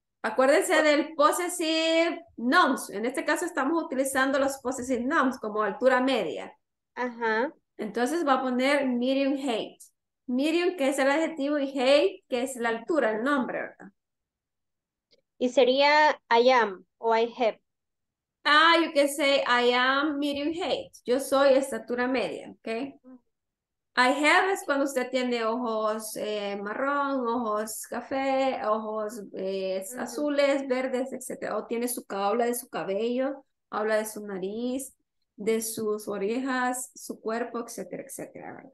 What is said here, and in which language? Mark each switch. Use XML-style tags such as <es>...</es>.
<es>Acuérdense del possessive nouns. En este caso estamos utilizando los possessive nouns como altura media. Ajá. Entonces va a poner</es> <en>medium height.</en> <es>Medium, que es el adjetivo, y height, que es la altura, el nombre, ¿verdad? Y sería I am o I have.</es> <en>Ah, you can say I am medium height.</en> <es>Yo soy estatura media, ¿ok? I have es cuando usted tiene ojos marrón, ojos café, ojos azules, verdes, etc. O tiene su habla de su cabello, habla de su nariz, de sus orejas, su cuerpo, etc., etc.</es>